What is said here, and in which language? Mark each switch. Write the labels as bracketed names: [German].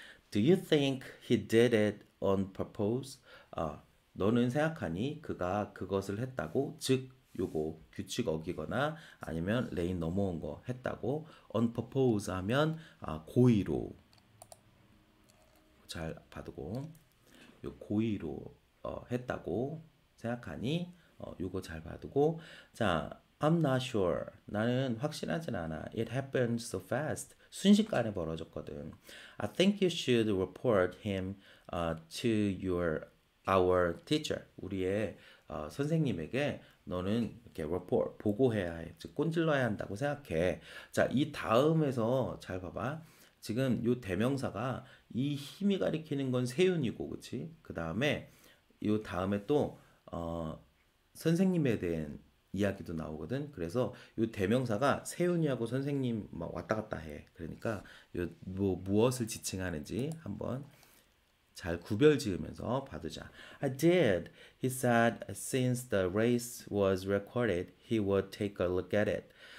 [English] Do you think he did it on purpose? [Korean] 너는 생각하니 그가 그것을 했다고? 즉 요거 규칙 어기거나 아니면 레인 넘어온 거 했다고? On purpose 하면 고의로. 잘 봐두고, 요 고의로 했다고 생각하니 요거 잘 봐두고. [English] 자, I'm not sure. [Korean] 나는 확신하진 않아. [English] It happened so fast. [Korean] 순식간에 벌어졌거든. [English] I think you should report him to our teacher. [Korean] 우리의 선생님에게 너는 이렇게 report 보고해야 해. 즉 꼰질러야 한다고 생각해. 자, 이 다음에서 잘 봐봐. 지금 요 대명사가 이 힘이 가리키는 건 세윤이고, 그치? 그 다음에 요 다음에 또 선생님에 대한 이야기도 나오거든. 그래서 요 대명사가 세윤이하고 선생님 막 왔다 갔다 해. 그러니까 요뭐 무엇을 지칭하는지 한번 잘 구별 지으면서 봐두자. [English] I did, he said. Since the race was recorded, he would take a look at it.